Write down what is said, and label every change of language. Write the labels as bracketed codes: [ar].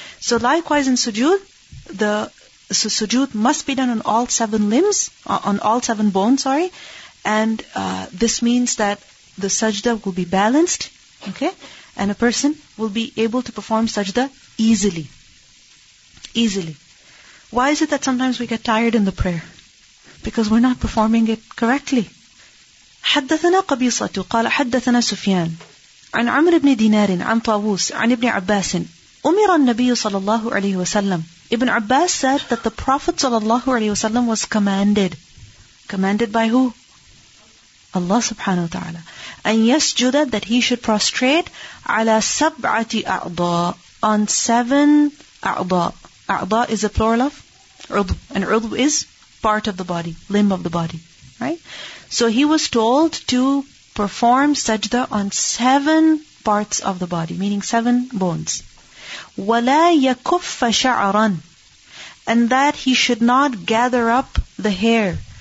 [en] So likewise in sujood, sujood must be done on all seven limbs, on all seven bones, sorry. And this means that the sajda will be balanced, okay? And a person will be able to perform sajda easily. Easily. Why is it that sometimes we get tired in the prayer? Because we're not performing it correctly. [ar] حدثنا قبيصة قال حدثنا سفيان عن عمرو بن دينار عن طاووس عن ابن عباس أمر النبي صلى الله عليه وسلم. [en] Ibn Abbas said that the Prophet [ar] صلى الله عليه وسلم [en] was commanded. Commanded by who? Allah subhanahu wa ta'ala. [ar] أن يسجد, [en] that he should prostrate, [ar] على سبعة أعضاء, [en] on seven أعضاء. أعضاء is a plural of عضو. And عضو is part of the body, limb of the body. Right? So he was told to perform sajda on seven parts of the body, meaning seven bones. [ar] وَلَا يَكُفَّ شَعَرًا, [en] and that he should not gather up the hair.